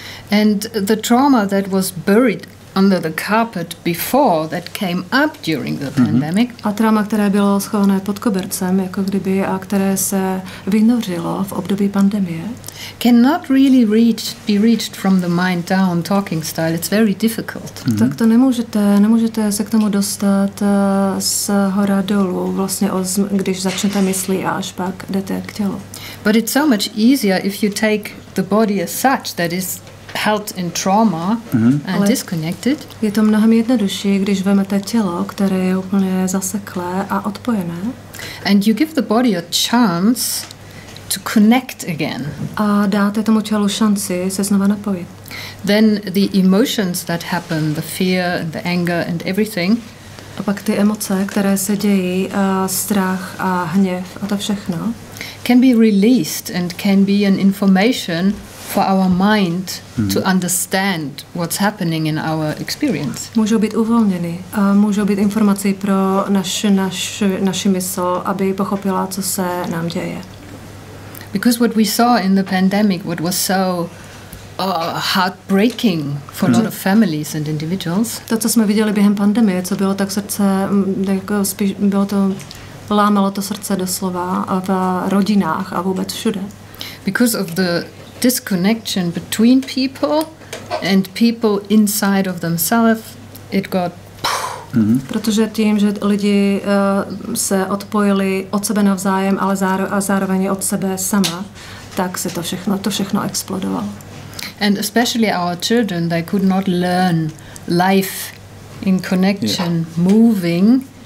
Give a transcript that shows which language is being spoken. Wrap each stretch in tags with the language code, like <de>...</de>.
<en>And the trauma that was buried under the carpet before that came up during the pandemic.</en> <cs>A trauma, které bylo schované pod kobercem, jako kdyby, a které se vynořilo v období pandemie.</cs> <en>Cannot really be reached from the mind down talking style. It's very difficult. Mm-hmm.</en> <cs>Tak to nemůžete se k tomu dostat z hora dolů, vlastně když začnete myslí a až pak jdete k tělu.</cs> <en>But it's so much easier if you take the body as such, that is held in trauma, mm-hmm. and disconnected.</en> <cs>Je to mnohem jednodušší, když vezmete tělo, které je úplně zaseklé a odpojené.</cs> <en>And you give the body a chance to connect again.</en> <cs>A dáte tomu tělu šanci se znova napojit.</cs> <en>Then the emotions that happen, the fear and the anger and everything.</en> <cs>A pak ty emoce, které se dějí, strach a hněv a to všechno.</cs> <en>Can be released and can be an information for our mind to understand what's happening in our experience.</en> <cs>Můžou být uvolněny a můžou být informací pro naši mysl, aby pochopila, co se nám děje.</cs> <en>Because what we saw in the pandemic, what was so heartbreaking for a lot of families and individuals.</en> <cs>To, co jsme viděli během pandemie, co bylo tak srdce, jako spíš bylo to lámalo to srdce doslova v rodinách a vůbec všude.</cs> <en>Because of the disconnection between people and people inside of themselves, it got.</en> <cs>Protože tím, že lidi se odpojili od sebe navzájem, ale zároveň od sebe sama, tak se to všechno explodovalo.</cs> <en>And especially our children, they could not learn life in connection, moving.</en>